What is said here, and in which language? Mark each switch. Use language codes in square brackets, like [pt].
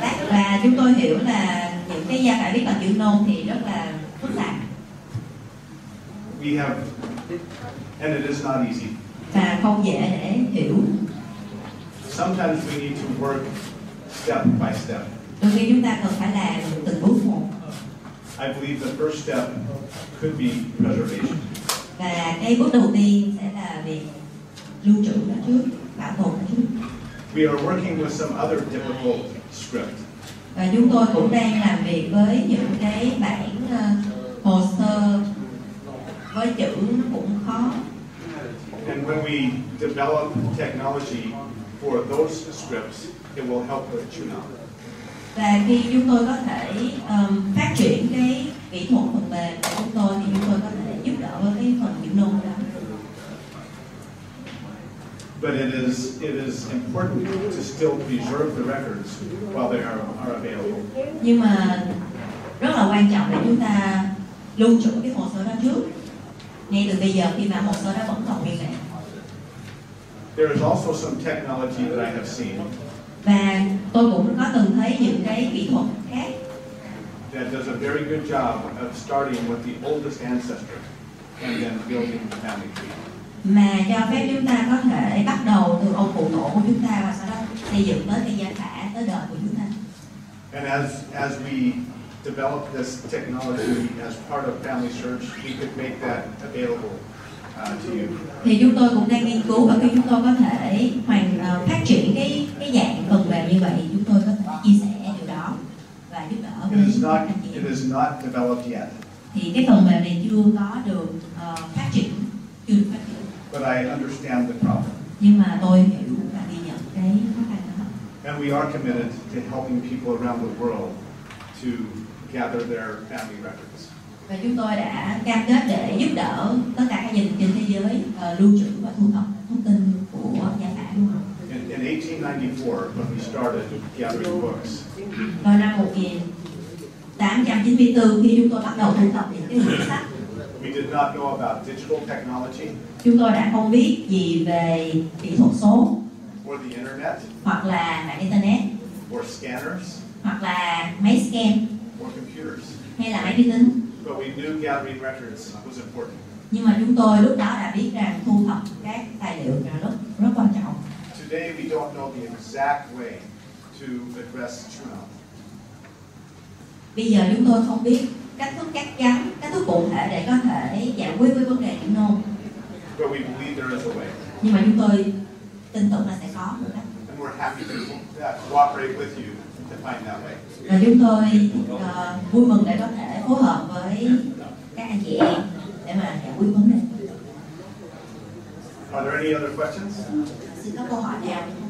[vi] Bác là chúng tôi hiểu là những cái gia phả viết bằng chữ nôm thì rất là phức tạp. [en] We have and it is not easy. [vi] Và không dễ để hiểu. [en] Sometimes we need to work step by step. [vi] Đôi khi chúng ta cần phải làm từng bước một. [en] I believe the first step could be preservation. [vi] Và cái bước đầu tiên sẽ là về lưu trữ nó trước, bảo tồn nó trước. [en] We are working with some other difficult script. [vi] Và chúng tôi cũng đang làm việc với những cái bản hồ sơ với chữ cũng khó. [en] And when we develop technology for those scripts, it will help with Chunam. [vi] Và khi chúng tôi có thể phát triển cái kỹ thuật phần mềm của chúng tôi thì chúng tôi có thể giúp đỡ với cái phần chữ nôm đó. [en] But it is important to still preserve the records while they are available. [vi] Nhưng mà rất là quan trọng là chúng ta lưu trữ cái hồ sơ đó trước. Ngay từ bây giờ khi mà hồ sơ đó vẫn còn nguyên vẹn. [en] There is also some technology that I have seen. [vi] Và tôi cũng có từng thấy những cái kỹ thuật khác. [en] That does a very good job of starting with the oldest ancestor and then building the family tree. [vi] Mà cho phép chúng ta có thể bắt đầu từ ông cụ tổ của chúng ta và sau đó xây dựng tới cái gia phả tới đời của chúng ta. [en] And as we develop this technology as part of Family Search, we could make that available to you. [vi] Thì chúng tôi cũng đang nghiên cứu và khi chúng tôi có thể hoàn phát triển cái dạng phần mềm như vậy, chúng tôi có thể chia sẻ điều đó và giúp đỡ. [en] It is not developed yet. [vi] Thì cái phần mềm này chưa có được phát triển, chưa được phát triển. [en] But I understand the problem. [vi] Nhưng mà tôi hiểu và ghi nhận cái khó khăn đó. [en] And we are committed to helping people around the world to gather their family records. [vi] Và chúng tôi đã cam kết để giúp đỡ tất cả các gia đình trên thế giới lưu trữ và thu thập thông tin của gia sản. [en] In 1894, when we started gathering books. [vi] Vào năm 1894 khi chúng tôi bắt đầu thu thập những cái quyển sách. [en] We did not know about digital technology. [vi] Chúng tôi đã không biết gì về kỹ thuật số. [en] Or the internet. [vi] Hoặc là mạng internet. [en] Or scanners. [vi] Hoặc là máy scan. [en] Or computers. [vi] Hay là máy vi tính. [en] But we knew gathering records was important. [vi] Nhưng mà chúng tôi lúc đó đã biết rằng thu thập các tài liệu là rất quan trọng. [en] Today we don't know the exact way to address turnout. [vi] Bây giờ chúng tôi không biết cách thức chắc chắn, cách thức cụ thể để có thể giải quyết với vấn đề chữ nôm. [en] But we believe there is a way. [vi] Nhưng mà chúng tôi tin tưởng là sẽ có một cách. [en] And we're happy to cooperate with you to find that way. [vi] Và chúng tôi vui mừng để có thể phối hợp với các anh chị em để mà giải quyết vấn đề. [en] Are there any other questions? [vi] Xin có câu hỏi nào?